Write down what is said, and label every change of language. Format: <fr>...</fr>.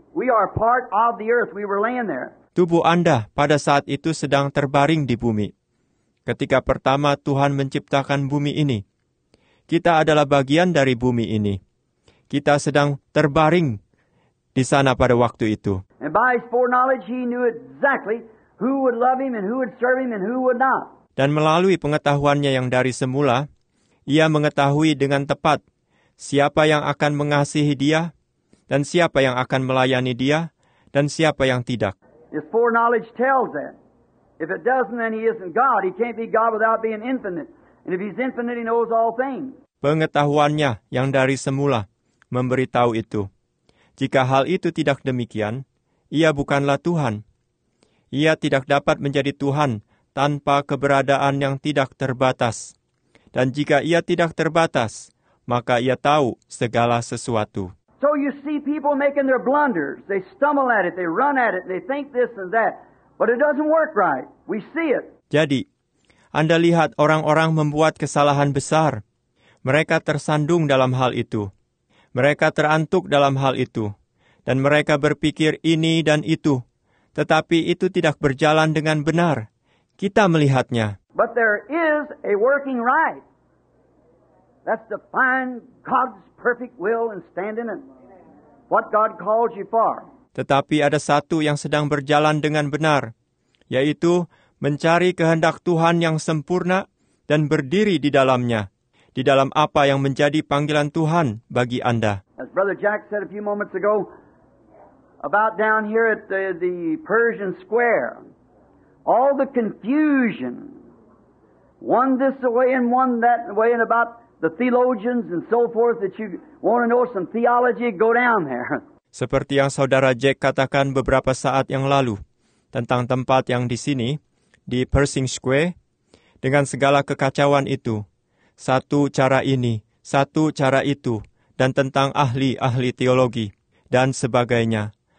<en>We are part of the earth. We were laying there.</en> <id>Tubuh Anda pada saat itu sedang terbaring di bumi. Ketika pertama Tuhan menciptakan bumi ini, kita adalah bagian dari bumi ini. Kita sedang terbaring di sana pada waktu itu.</id> <en>And by his foreknowledge, he knew exactly who would love him and who would serve him and who would not.</en> <id>Dan melalui pengetahuannya yang dari semula, ia mengetahui dengan tepat siapa yang akan mengasihi dia dan siapa yang akan melayani dia dan siapa yang tidak.</id> <en>His foreknowledge tells that. If it doesn't, then he isn't God. He can't be God without being infinite. And if he's infinite, he knows all things.</en> <id>Pengetahuannya yang dari semula memberitahu itu. Jika hal itu tidak demikian, ia bukanlah Tuhan. Ia tidak dapat menjadi Tuhan tanpa keberadaan yang tidak terbatas. Dan jika ia tidak terbatas, maka ia tahu segala sesuatu.</id> <en>So you see people making their blunders. They stumble at it, they run at it, they think this and that. But it doesn't work right. We see it.</en> <id>Jadi, Anda lihat orang-orang membuat kesalahan besar. Mereka tersandung dalam hal itu. Mereka terantuk dalam hal itu. Dan mereka berpikir ini dan itu. Tetapi itu tidak berjalan dengan benar. kita melihatnya.</id> <en>But there is a working right. That's to find God's perfect will and stand in it. What God calls you for.</en> <id>Tetapi ada satu yang sedang berjalan dengan benar, yaitu mencari kehendak Tuhan yang sempurna dan berdiri di dalamnya, di dalam apa yang menjadi panggilan Tuhan bagi Anda.</id> <en>As Brother Jack said a few moments ago, about down here at the Pershing Square, all the confusion, one this way and one that way, and about the theologians and so forth that you want to know some theology, go down there.</en> <id>Seperti yang Saudara Jack katakan beberapa saat yang lalu, tentang tempat yang di sini, di Pershing Square, dengan segala kekacauan itu, satu cara ini, satu cara itu, dan tentang ahli-ahli teologi, dan sebagainya.</id>